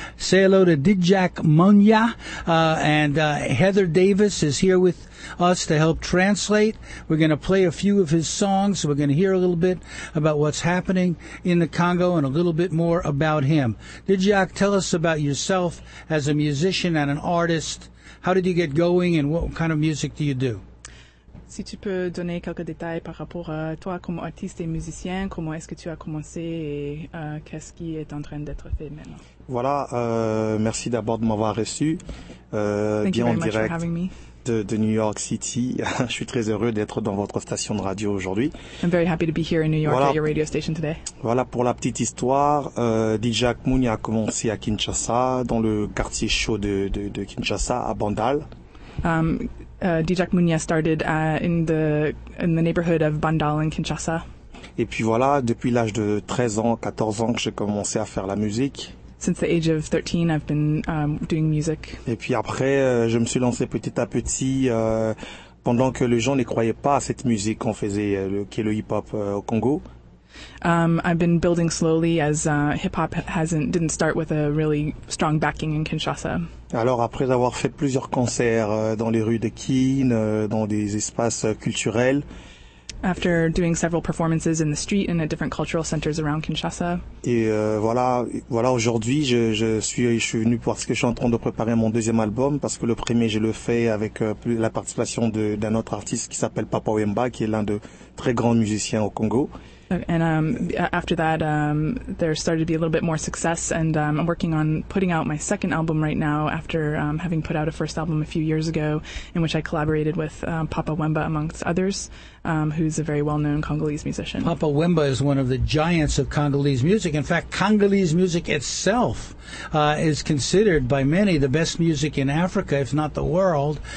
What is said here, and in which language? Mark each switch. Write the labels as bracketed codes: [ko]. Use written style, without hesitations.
[en] Say hello to Dijak Munya, and Heather Davis is here with us to help translate. We're going to play a few of his songs. We're going to hear a little bit about what's happening in the Congo and a little bit more about him. Dijak, tell us about yourself as a musician and an artist. How did you get going and what kind of music do you do? [fr] Si tu peux donner quelques détails par rapport à toi comme artiste et musicien, comment est-ce que tu as commencé et qu'est-ce qui est en train d'être fait maintenant? Voilà, merci d'abord de m'avoir reçu. [en] Thank you very much for having me. [fr] de New York City. Je suis très heureux d'être dans votre station de radio aujourd'hui. [en] I'm very happy to be here in New York, voilà, at your radio station today. [fr] Voilà pour la petite histoire. DJ Akmouni a commencé à Kinshasa, dans le quartier chaud de Kinshasa, à Bandal. [en] DJ Akmouni started in the neighborhood of Bandal in Kinshasa. [fr] Et puis voilà, depuis l'âge de 13 ans, 14 ans que j'ai commencé à faire la musique. [en] Since the age of 13, I've been doing music. [fr] Et puis après, je me suis lancé petit à petit, pendant que les gens ne croyaient pas à cette musique qu'on faisait, qui est le hip-hop au Congo. [en] I've been building slowly as hip-hop didn't start with a really strong backing in Kinshasa. [fr] Alors après avoir fait plusieurs concerts dans les rues de Kin, dans des espaces culturels. [en] After doing several performances in the street and at different cultural centers around Kinshasa. [fr] Et voilà, aujourd'hui, je suis venu parce que je suis en train de préparer mon deuxième album, parce que le premier, je le fais avec la participation d'un autre artiste qui s'appelle Papa Wemba, qui est l'un de très grands musiciens au Congo. [en] And after that, there started to be a little bit more success, and I'm working on putting out my second album right now after having put out a first album a few years ago, in which I collaborated with Papa Wemba, amongst others, who's a very well-known Congolese musician. Papa Wemba is one of the giants of Congolese music. In fact, Congolese music itself is considered by many the best music in Africa, if not the world.